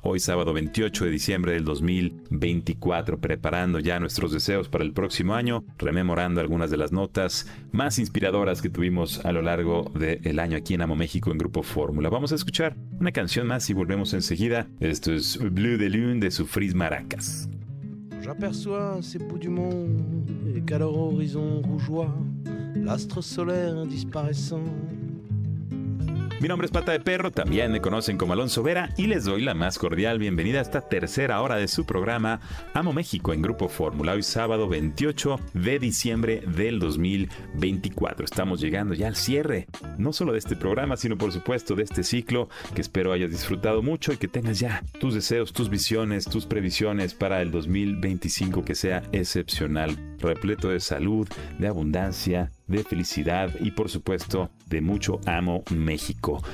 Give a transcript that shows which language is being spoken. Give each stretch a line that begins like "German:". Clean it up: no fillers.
Spanish: Hoy sábado 28 de diciembre del 2024, preparando ya nuestros deseos para el próximo año, rememorando algunas de las notas más inspiradoras que tuvimos a lo largo del año aquí en Amo México en Grupo Fórmula. Vamos a escuchar una canción más y volvemos enseguida. Esto es Blue de Lune de Soufrise Maracas.
French: J'aperçois ces bouts du monde et qu'à leur horizon rougeois l'astre solaire disparaissant.
Spanish: Mi nombre es Pata de Perro, también me conocen como Alonso Vera y les doy la más cordial bienvenida a esta tercera hora de su programa Amo México en Grupo Fórmula, hoy sábado 28 de diciembre del 2024. Estamos llegando ya al cierre, no solo de este programa, sino por supuesto de este ciclo, que espero hayas disfrutado mucho y que tengas ya tus deseos, tus visiones, tus previsiones para el 2025 que sea excepcional, repleto de salud, de abundancia, de felicidad y por supuesto de mucho Amo México.